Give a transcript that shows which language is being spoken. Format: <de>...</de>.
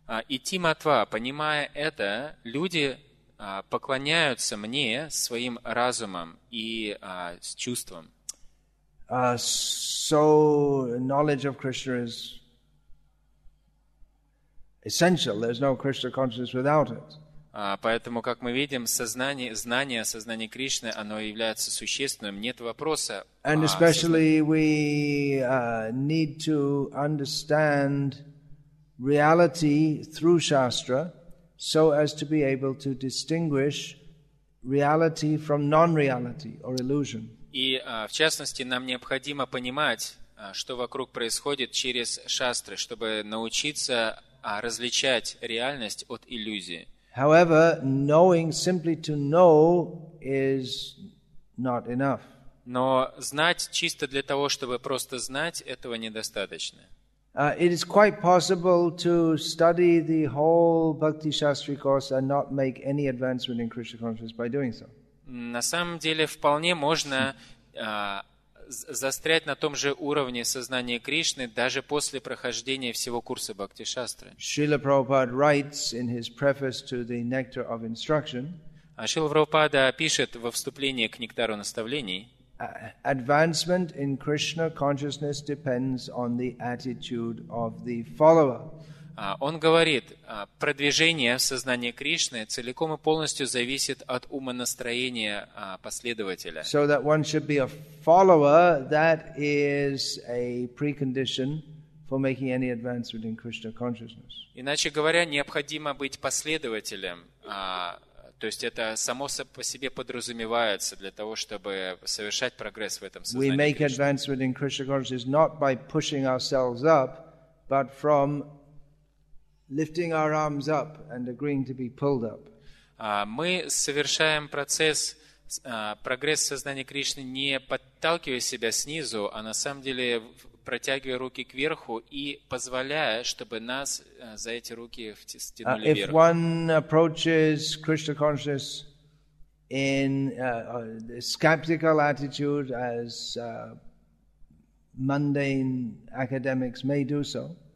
<sa>Iti matva,</sa> <ru>понимая это, люди поклоняются мне своим разумом и с чувством.</ru> <en>So knowledge of Krishna is essential. There's no Krishna consciousness without it.</en> <ru>Поэтому, как мы видим, сознание, знание, сознание Кришны, оно является существенным. Нет вопроса.</ru> <en>And especially we need to understand reality through Shastra. so as to be able to distinguish reality from non-reality or illusion.</en> <ru>И в частности нам необходимо понимать, что вокруг происходит через шастры, чтобы научиться различать реальность от иллюзии.</ru> <en>However, knowing simply to know is not enough.</en> <ru>Но знать чисто для того, чтобы просто знать, этого недостаточно.</ru> <en>It is quite possible to study the whole Bhakti Shastri course and not make any advancement in Krishna consciousness by doing so.</en> <ru>На самом деле вполне можно застрять на том же уровне сознания Кришны даже после прохождения всего курса Бхакти Шастры.</ru> <en>Шрила Прабхупада writes in his preface to the Nectar of Instruction.</en> <ru>Шрила Прабхупада пишет во вступлении к Нектару наставлений.</ru> <en>Advancement in Krishna consciousness depends on the attitude of the follower.</en> <ru>Он говорит, продвижение в сознании Кришны целиком и полностью зависит от умонастроения последователя.</ru> <en>So that one should be a follower, that is a precondition for making any advancement in Krishna consciousness.</en> <ru>Иначе говоря, необходимо быть последователем, то есть это само по себе подразумевается для того, чтобы совершать прогресс в этом сознании.</ru> <en>We make advancement in Krishna consciousness not by pushing ourselves up, but from lifting our arms up and agreeing to be pulled up.</en> <ru>Мы совершаем процесс прогресс сознания Кришны не подталкивая себя снизу, а на самом деле протягивая руки кверху и позволяя, чтобы нас за эти руки втянули вверх.</ru> <en>If one approaches Krishna consciousness in a skeptical attitude, as mundane academics may do so.</en>